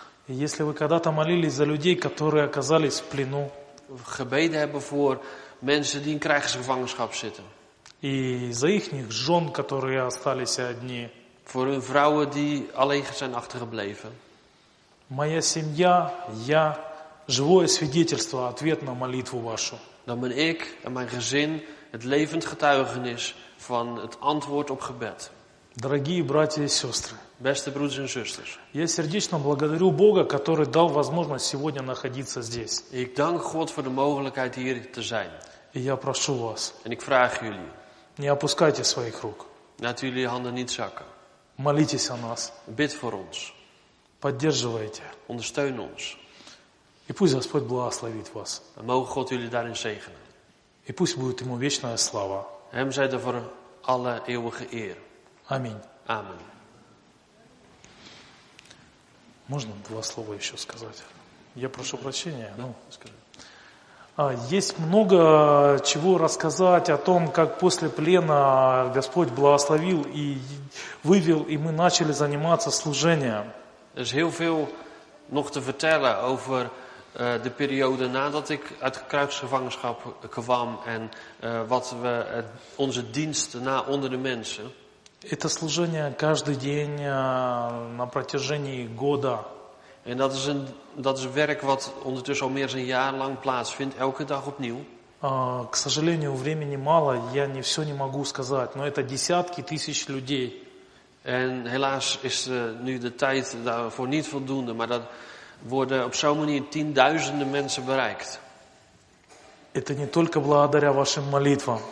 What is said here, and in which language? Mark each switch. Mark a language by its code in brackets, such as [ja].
[ru] Если вы когда-то молились за людей, которые оказались в плену. [nl] Gebeden hebben voor mensen die in krijgsgevangenschap zitten. [ru] И за ихних жен, которые остались одни. [nl] Voor hun vrouwen die alleen zijn achtergebleven. [ru] Моя семья, я живое свидетельство, ответ на молитву вашу. [nl] Dan ben ik en mijn gezin het levend getuigenis van het antwoord op gebed. [ru] Дорогие братья и сестры. [nl] Beste broeders en zusters. [ru] Я сердечно благодарю Бога, который дал возможность сегодня находиться здесь. [nl] Ik dank God voor de mogelijkheid hier te zijn. [ru] И я прошу вас. [nl] En ik vraag jullie. [ru] Не опускайте своих рук. [nl] Laat jullie handen niet zakken. [ru] Молитесь о нас. [nl] Bid voor ons. [ru] Поддерживайте. [nl] Ondersteun ons. [ru] И пусть Господь благословит вас. [nl] En mogen God jullie daarin zegenen. [ru] И пусть будет ему вечная слава. [nl] Hem zij de voor alle eeuwige eer. [ru] Аминь. [nl] Amen. [ru] Можно два слова еще сказать? Я прошу прощения. Ну, есть много чего рассказать о том, как после плена Господь благословил и вывел, и мы начали заниматься служением. [nl] Er is heel veel nog te vertellen over de periode nadat ik uit kruisgevangenschap kwam en wat we onze dienst na onder de mensen. [ru] Это служение каждый день на протяжении года. [nl] En dat is werk wat ondertussen al meer dan een jaar lang plaatsvindt, elke dag opnieuw. [ru] К сожалению, времени мало, я не все не могу сказать, но это десятки тысяч людей. [nl] En helaas is nu de tijd daarvoor niet voldoende, maar dat worden op zo'n manier tienduizenden mensen bereikt. [ru] Это не только благодаря вашим молитвам.